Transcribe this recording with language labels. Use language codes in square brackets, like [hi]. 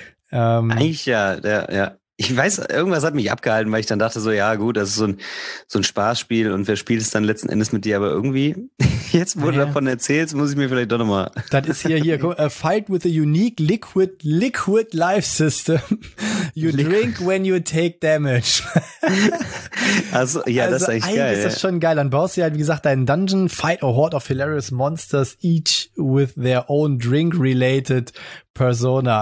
[de] Eigentlich ja. Ich weiß, irgendwas hat mich abgehalten, weil ich dann dachte so, ja gut, das ist so ein Spaßspiel und wer spielt es dann letzten Endes mit dir? Aber irgendwie, jetzt wo du davon erzählst, muss ich mir vielleicht doch nochmal. Das ist hier, guck, [en] a fight with a unique liquid life system. You drink when you take damage. [de] Also, ja, also das ist echt geil. Eigentlich ist das schon geil. Dann baust du halt, wie gesagt, deinen Dungeon, [en] fight a horde of hilarious monsters, each with their own drink-related persona.